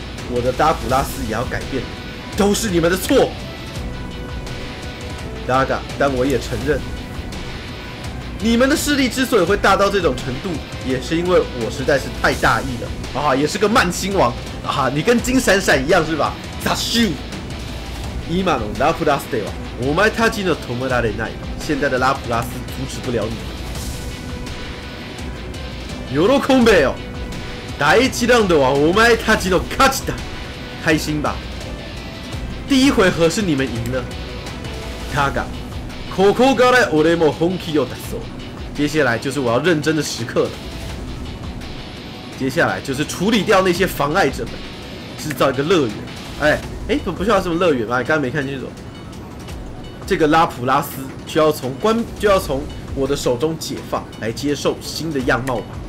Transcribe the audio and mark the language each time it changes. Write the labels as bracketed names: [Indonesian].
[Chinese] 我的拉普拉斯也要改变，都是你们的错。但我也承认，你们的势力之所以会大到这种程度，也是因为我实在是太大意了啊，也是个慢心王啊，你跟金闪闪一样是吧？咋秀？ [Japanese] 今のラプラスでは、お前たちの止められない。 [Chinese] 现在的拉普拉斯阻止不了你。 [Japanese] 喜んでよ。第一ラウンドはお前たちの勝ちだ。 [Chinese] 开心吧。第一回合是你们赢了。 [Japanese] だが、ここから俺も本気を出そう。 [Chinese] 接下来就是我要认真的时刻了。接下来就是处理掉那些妨碍者们，制造一个乐园。不需要什么乐园吧？刚才没看清楚。这个拉普拉斯就要从我的手中解放，来接受新的样貌吧。